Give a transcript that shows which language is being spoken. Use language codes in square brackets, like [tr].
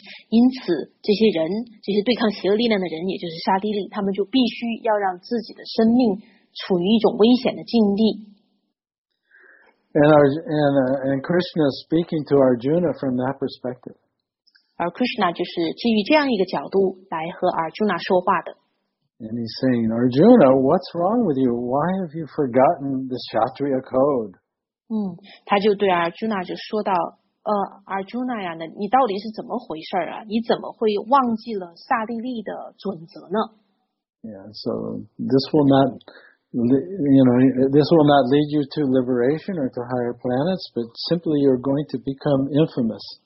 [zh] 因此这些对抗邪恶力量的人也就是沙地利他们就必须要让自己的生命处于一种危险的境地。 [en] And Krishna is speaking to Arjuna from that perspective. [zh] 而 Krishna 就是基于这样一个角度来和 Arjuna 说话的。 [en] And he's saying, Arjuna, what's wrong with you? Why have you forgotten the Kshatriya code? [zh] 他就对 Arjuna 就说到，Arjuna 呀，你到底是怎么回事啊？你怎么会忘记了萨利利的准则呢？ [en] Yeah, so this will not... You know, this will not lead you to liberation or to higher planets, but simply you're going to become infamous.